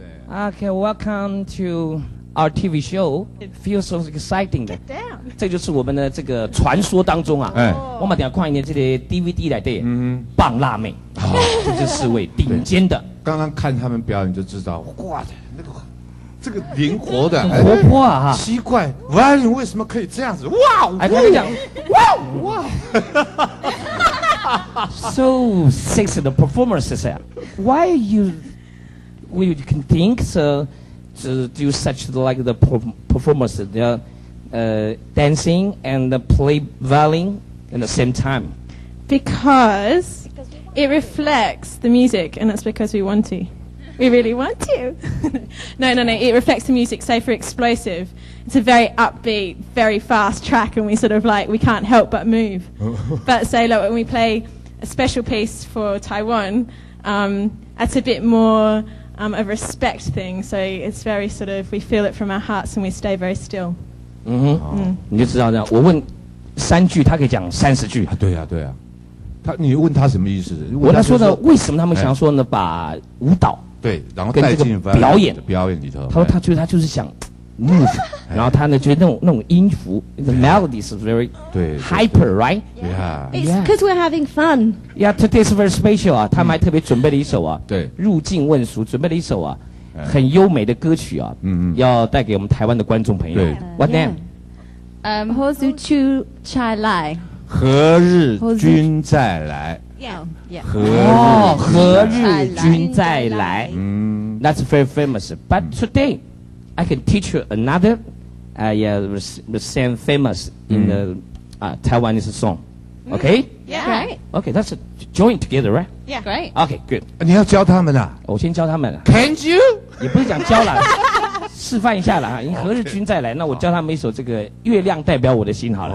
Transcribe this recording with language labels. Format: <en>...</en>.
<en>Okay, welcome to our TV show. It feels so exciting. Get down.</en> <zh>这就是我们的这个传说当中啊。哎、 oh. ，我们等下看一点这些 DVD 来的。嗯、mm-hmm. ，棒辣妹，好、oh. ，这就是位顶尖的。刚刚看他们表演就知道，哇的那个，这个灵活的，很活泼啊哈、哎。奇怪，外人为什么可以这样子？哇！哎，他们讲，哇哇。</zh> <en>So sexy, the performance is there. Why you can think so, to do such like the performance, the dancing and the play violin at the same time? Because it reflects the music, and that's because we want to. We really want to. No, it reflects the music, so for explosive. It's a very upbeat, very fast track, and we sort of like, we can't help but move. But say, look, when we play a special piece for Taiwan, that's a bit more of a respect thing. So it's very sort of, we feel it from our hearts and we stay very still.</en> <zh>Mm-hmm. 你就知道这样，我问三句，他可以讲三十句。对啊，对啊。他，你问他什么意思？我他说的，为什么他们想说呢？把舞蹈对，然后带进表演表演里头。他说他觉得他就是想move， 然后他呢觉得那种音符 ，</zh> <en>the melody is very hyper， right？ Yeah， it's because we're having fun。 Yeah， today is very special</en> <zh>啊，他们还特别准备了一首啊，对，入境问俗，准备了一首啊，很优美的歌曲啊，嗯，要带给我们台湾的观众朋友。</zh> <en>What name？ Hozu Chu Chai Lai。</en> <zh>何日君再来</zh> <en>？Yeah， yeah。 哦，</en> <zh>何日君再来？嗯</zh> <en>，that's very famous， but today。 I can teach you another, the same famous in the Taiwanese song. Okay? Yeah. Right. Okay, that's a join together, right? Yeah. Great. Okay, good.</en> <zh>你要教他们啊？我先教他们。</zh> <en>Can you?</en> <zh>也不是讲教了，示范一下了啊。因为何日君再来，那我教他们一首这个《月亮代表我的心》好了。</zh>